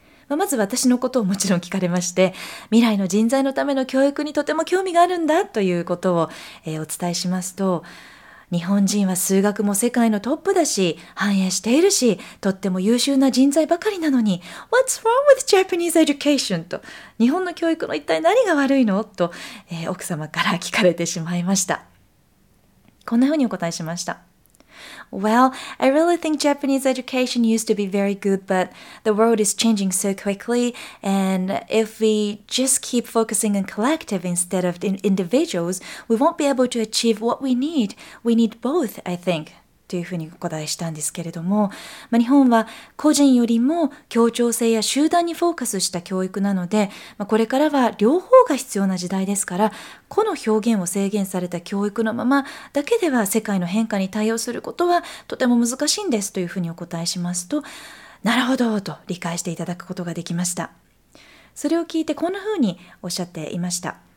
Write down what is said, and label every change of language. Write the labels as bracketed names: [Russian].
[Japanese] まず私のことをもちろん聞かれまして、未来の人材のための教育にとても興味があるんだということを、お伝えしますと、日本人は数学も世界のトップだし、繁栄しているし、とっても優秀な人材ばかりなのに、 [English] What's wrong with Japanese education? [Japanese] と、日本の教育の一体何が悪いの?と、奥様から聞かれてしまいました。こんなふうにお答えしました。 [English] Well, I really think Japanese education used to be very good, but the world is changing so quickly, and if we just keep focusing on collective instead of individuals, we won't be able to achieve what we need. We need both, I think. [Japanese] というふうにお答えしたんですけれども、まあ、日本は個人よりも協調性や集団にフォーカスした教育なので、まあ、これからは両方が必要な時代ですから、この表現を制限された教育のままだけでは世界の変化に対応することはとても難しいんですというふうにお答えしますと、なるほどと理解していただくことができました。それを聞いてこんなふうにおっしゃっていました。